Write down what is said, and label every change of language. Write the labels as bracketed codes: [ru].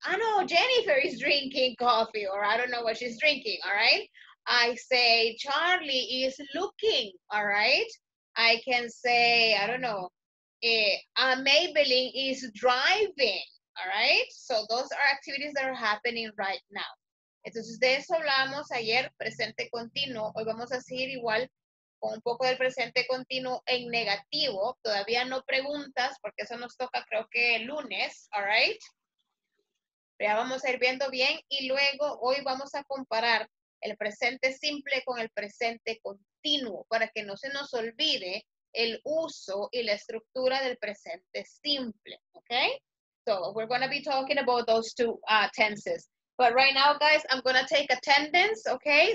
[en] I know Jennifer is drinking coffee, or I don't know what she's drinking, all right? I say, Charlie is looking, all right? I can say, I don't know, Maybelline is driving, all right? So those are activities that are happening right now. [es] Entonces, de eso hablábamos ayer, presente continuo. Hoy vamos a seguir igual con un poco del presente continuo en negativo. Todavía no preguntas, porque eso nos toca creo que el lunes, [en] all right? [es] Pero ya vamos a ir viendo bien. Y luego, hoy vamos a comparar el presente simple con el presente continuo para que no se nos olvide el uso y la estructura del presente simple, okay? [en] So, we're going to be talking about those two tenses. But right now, guys, I'm going to take attendance, okay?